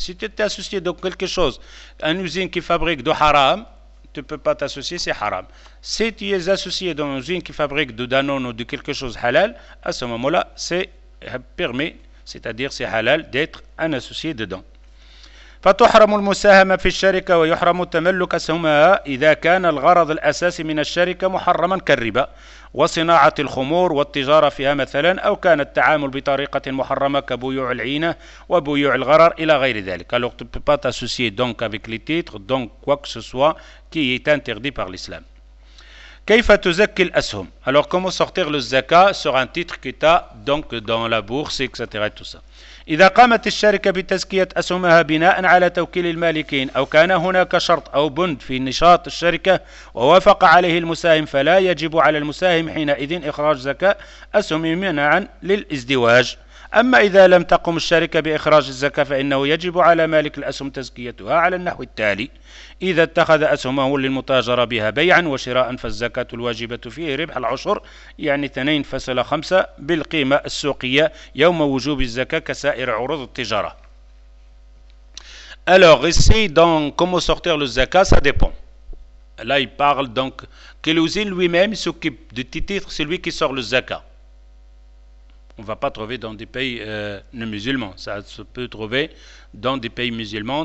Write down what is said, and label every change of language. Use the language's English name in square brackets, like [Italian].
[French] Si tu t'associes dans quelque chose, une usine qui fabrique du haram, tu ne peux pas t'associer, c'est haram. Si tu es associé dans une usine qui fabrique de Danone ou de quelque chose de halal, à ce moment-là, c'est permis, c'est-à-dire c'est halal d'être un associé dedans. [Arabic] فتحرم المساهمة في الشركة ويحرم تملك أسهم إذا كان الغرض الأساسي من الشركة محرما كالربا وصناعة الخمور والتجارة فيها مثلا أو كان التعامل بطريقة محرمة كبيوع العينة وبيوع الغرر إلى غير ذلك. [French] Alors, tu ne peux pas t'associer donc avec les titres, donc quoi que ce soit qui est interdit par l'islam. [Arabic] كيف تزكي الأسهم? [French] Alors, comment sortir le zaka sur un titre que tu as donc dans la bourse, etc. et tout ça. [Arabic] إذا قامت الشركة بتزكية أسهمها بناء على توكيل المالكين أو كان هناك شرط أو بند في نشاط الشركة ووافق عليه المساهم فلا يجب على المساهم حينئذ إخراج زكاة أسهم منعا للإزدواج أما إذا لم تقم الشركة بإخراج الزكاة فإنه يجب على مالك الأسهم تزكيتها على النحو التالي إذا اتخذ أسهمه للمتاجرة بها بيعا وشراء فالزكاة الواجبة فيه ربح العشر يعني 2.5 بالقيمة السوقية يوم وجوب الزكاة كسائر عروض التجارة. [French] Alors ici donc comment sortir le zakat ça dépend. Là il parle donc que l'usine lui-même s'occupe de tes titres, c'est lui qui sort le zakat. On ne va pas trouver dans des pays non musulmans. Ça se peut trouver dans des pays musulmans.